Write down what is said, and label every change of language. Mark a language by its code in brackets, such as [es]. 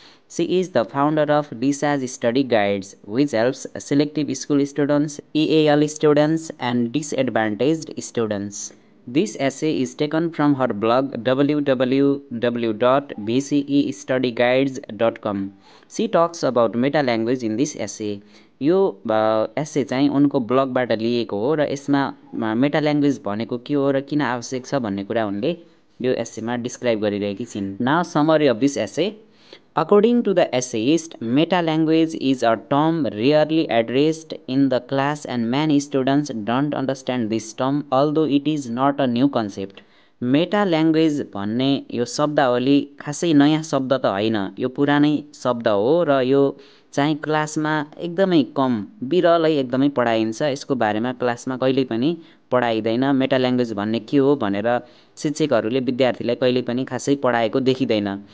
[en] She is the founder of Lisa's Study Guides, which helps selective school students, EAL students, and disadvantaged students. This essay is taken from her blog www.bceestudyguides.com. She talks about meta language in this essay. [ne] यो एसे चाहिँ उनको ब्लगबाट लिएको हो र यसमा मेटा language भनेको के हो र किन आवश्यक छ भन्ने कुरा उनले यो एसेमा डिस्क्राइब गरिरहेकी छिन्. [en] Now summary of this essay. According to the essayist, meta-language is a term rarely addressed in the class and many students don't understand this term, although it is not a new concept. [ne] Meta-language भन्ने यो शब्दावली खासै नयाँ शब्द त होइन, यो पुरानै शब्द हो र यो चाहिँ क्लासमा एकदमै कम विरलै एकदमै पढाइन्छ. यसको बारेमा क्लासमा कहिल्यै पनि पढाइँदैन. मेटाल्याङ्ग्वेज भन्ने के हो भनेर शिक्षकहरूले विद्यार्थीलाई कहिल्यै पनि खासै पढाएको देखिँदैन.